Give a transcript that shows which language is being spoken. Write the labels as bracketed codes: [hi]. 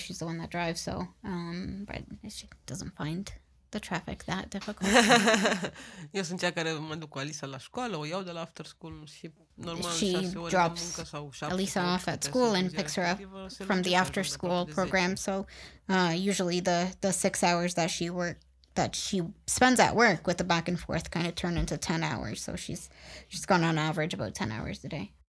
[en] She's the one that drives, so but she doesn't find the traffic that difficult. [ro] Eu sunt cea care mă duc cu Alisa la școală, o iau de la after school și normal, [en] she drops Alisa off at school and picks her up from the after school program. So usually the 6 hours that she spends at work with the back and forth kind of turn into 10 hours. So she's gone on average about 10 hours a day.